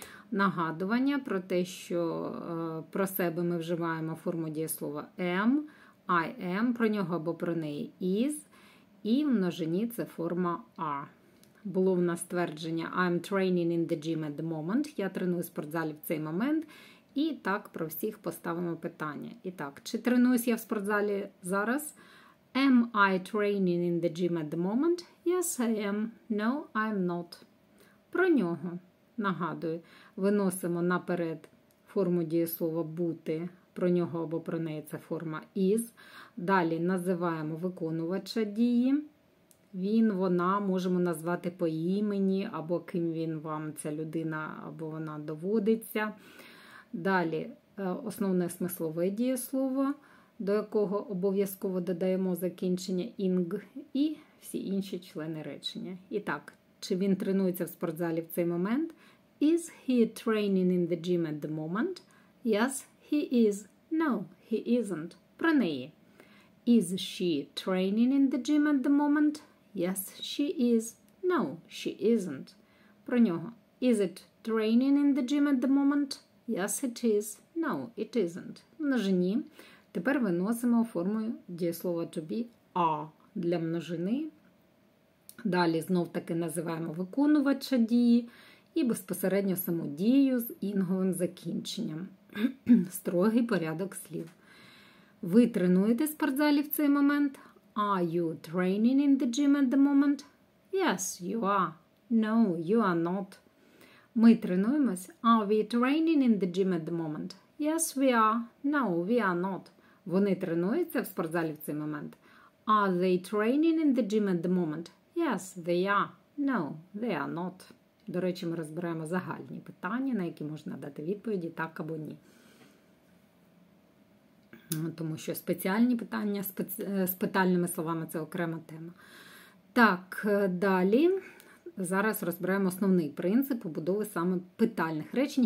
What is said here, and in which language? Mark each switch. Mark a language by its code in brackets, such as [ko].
[uk] Нагадування про те, що про себе ми вживаємо форму дієслова am, I am, про нього або про неї is, і в множині це форма are. Було в нас твердження [en] I'm training in the gym at the moment, [uk] я треную в спортзалі в цей момент, і так про всіх поставимо питання. І так, чи тренуюсь я в спортзалі зараз? [en] Am I training in the gym at the moment? Yes, I am. No, I'm not. [uk] Про нього. Нагадую, виносимо наперед форму дієслова «бути», про нього або про неї це форма «is». Далі називаємо виконувача дії. Він, вона, можемо назвати по імені, або ким він вам, ця людина, або вона доводиться. Далі основне смислове дієслово, до якого обов'язково додаємо закінчення «ing» і всі інші члени речення. І так, чи він тренується в спортзалі в цей момент? [en] Is he training in the gym at the moment? Yes, he is. No, he isn't. [uk] Про неї. [en] Is she training in the gym at the moment? Yes, she is. No, she isn't. [uk] Про нього. [en] Is it training in the gym at the moment? Yes, it is. No, it isn't. [uk] Множині. Тепер виносимо форму дієслова to be are для множини. Далі знов-таки називаємо виконувача дії і безпосередньо саму дію з інговим закінченням. Строгий порядок слів. Ви тренуєте в спортзалі в цей момент? [en] Are you training in the gym at the moment? Yes, you are. No, you are not. [uk] Ми тренуємось? [en] Are we training in the gym at the moment? Yes, we are. No, we are not. [uk] Вони тренуються в спортзалі в цей момент? [en] Are they training in the gym at the moment? Yes, they are. No, they are not. [uk] До речі, ми розбираємо загальні питання, на які можна дати відповіді так або ні. Тому що спеціальні питання з питальними словами – це окрема тема. Так, далі. Зараз розберемо основний принцип побудови саме питальних речень.